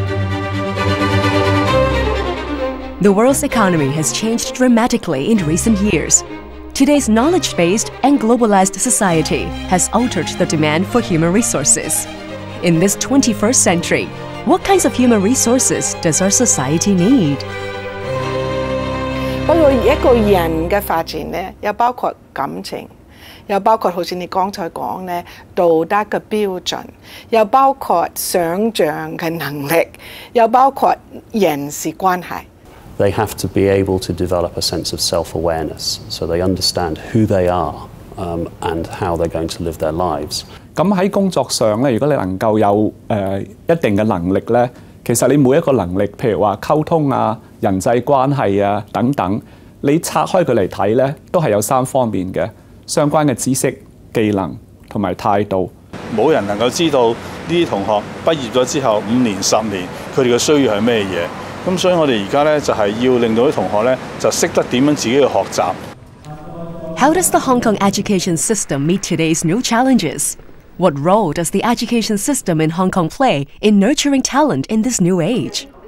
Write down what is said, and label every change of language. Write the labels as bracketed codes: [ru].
[en] The world's economy has changed dramatically in recent years. Today's knowledge-based and globalized society has altered the demand for human resources. In this 21st century, what kinds of human resources does our society need? [yue] 不過一個人嘅發展咧，又包括感情，又包括好似你剛才講咧道德嘅標準，又包括想像嘅能力，又包括人事關係。 [en] They have to be able to develop a sense of self-awareness, so they understand who they are, and how they're going to live their lives. [yue] 咁喺工作上咧，如果你能夠有一定嘅能力咧，其實你每一個能力，譬如話溝通啊、人際關係啊等等，你拆開佢嚟睇咧，都係有三方面嘅相關嘅知識、技能同埋態度。冇人能夠知道呢啲同學畢業咗之後5年、10年，佢哋嘅需要係咩嘢？咁所以我哋而家咧就係要令到啲同學咧就識得點樣自己去學習。 [en] How does the Hong Kong education system meet today's new challenges? What role does the education system in Hong Kong play in nurturing talent in this new age?